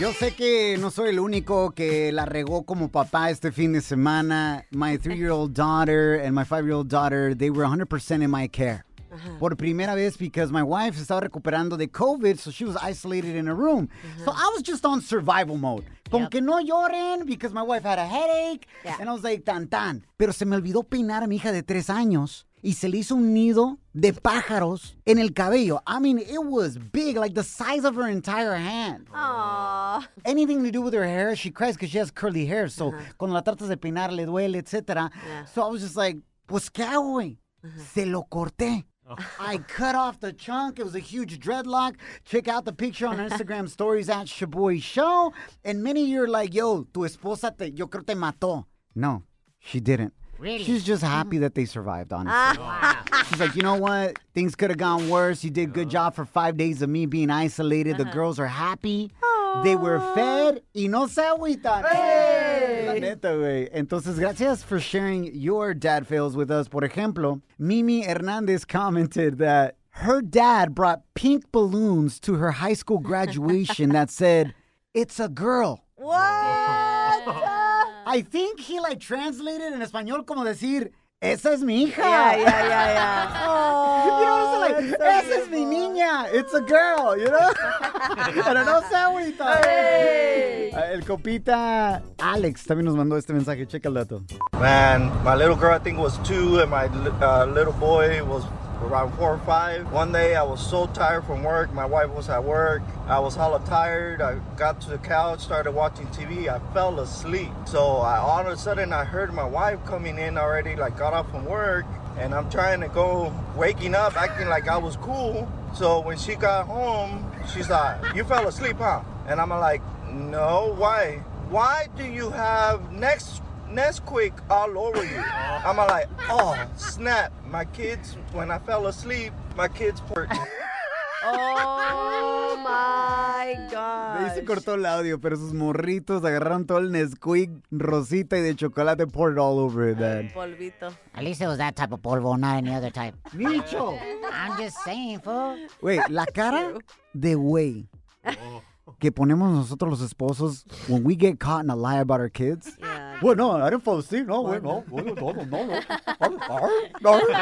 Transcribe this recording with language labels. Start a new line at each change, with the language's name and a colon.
Spanish: Yo sé que no soy el único que la regó como papá este fin de semana.
English: My three-year-old daughter and my five-year-old daughter, they were 100% in my care. Uh-huh.
Spanish: Por primera vez,
English: because my wife
Spanish: estaba recuperando de
English: COVID, so she was isolated in a room. Uh-huh. So I was just on survival mode.
Spanish: Con que no lloren,
English: because my wife had a headache. Yeah. And I was like,
Spanish: tan, tan. Pero se me olvidó peinar a mi hija de 3 años y se le hizo un nido de pájaros en el cabello.
English: I mean, it was big, like the size of her entire hand. Aww. Anything to do with her hair, she cries because she has curly hair.
Spanish: So cuando la tratas de peinar, le duele, etc.
English: Yeah. So I was just like,
Spanish: pues, ¿qué hago, güey? Se lo corté.
English: I cut off the chunk. It was a huge dreadlock. Check out the picture on Instagram stories at Shaboy Show. And many of you are like,
Spanish: yo, tu esposa, yo creo te mató.
English: No, she didn't. Really? She's just happy that they survived, honestly. Wow. She's like, you know what? Things could have gone worse. You did a good job for 5 days of me being isolated. Uh-huh. The girls are happy. Oh. They were fed.
Spanish: Y no se agüitan.
English: Hey.
Spanish: La neta, güey. Entonces, gracias
English: for sharing your dad fails with us.
Spanish: Por ejemplo,
English: Mimi Hernandez commented that her dad brought pink balloons to her high school graduation that said, it's a girl. What? I think he, like, translated in Español
Spanish: como decir, esa es mi hija.
English: Yeah. Oh, you know what I'm saying? Like,
Spanish: esa es mi niña.
English: It's a girl, you know?
Spanish: Pero no sé, ahorita.
English: Hey.
Spanish: El copita Alex también nos mandó este mensaje. Checa el dato.
English: Man, my little girl, I think, was 2, and my little boy was around 4 or 5. One day, I was so tired from work. My wife was at work. I was hella tired. I got to the couch, started watching TV. I fell asleep. So all of a sudden, I heard my wife coming in already, like got up from work. And I'm trying to go, waking up, acting like I was cool. So when she got home, she's like, you fell asleep, huh? And I'm like, no, why? Why do you have Nesquik all over you? I'm like, oh, snap. My kids, when I fell asleep, my kids perked. Oh, my God.
Spanish: Ahí se cortó el audio, pero sus morritos agarraron todo el Nesquik rosita y de chocolate
English: poured all over it, man.
Spanish: Polvito.
English: At least it was that type of polvo, not any other type.
Spanish: ¡Micho!
English: I'm just saying, fool. Wait,
Spanish: la cara de güey que ponemos nosotros los esposos
English: when we get caught in a lie about our kids. Yeah. Well, no, I didn't fall asleep. No, wait, no. I'm sorry.